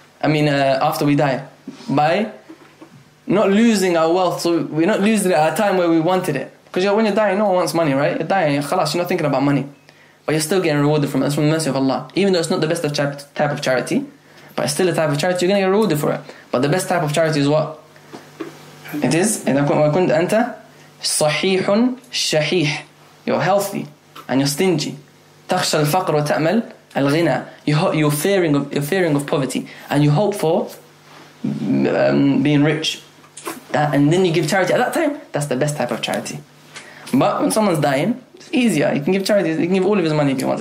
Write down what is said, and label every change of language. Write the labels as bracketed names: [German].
[English] After we die, by not losing our wealth. So we're not losing it at a time where we wanted it. Because when you're dying, no one wants money, right? You're dying, khalas, you're not thinking about money. But you're still getting rewarded from it. That's from the mercy of Allah. Even though it's not the best type of charity, but it's still a type of charity, you're going to get rewarded for it. But the best type of charity is what? It is, [Arabic] إذا كنت أنت صحيح شحيح. [English] You're healthy and you're stingy. [Arabic] تخشى الفقر وتأمل الغنى. [English] You're fearing of poverty and you hope for being rich. And then you give charity at that time, that's the best type of charity. But when someone's dying, it's easier. You can give charity, you can give all of his money if you want.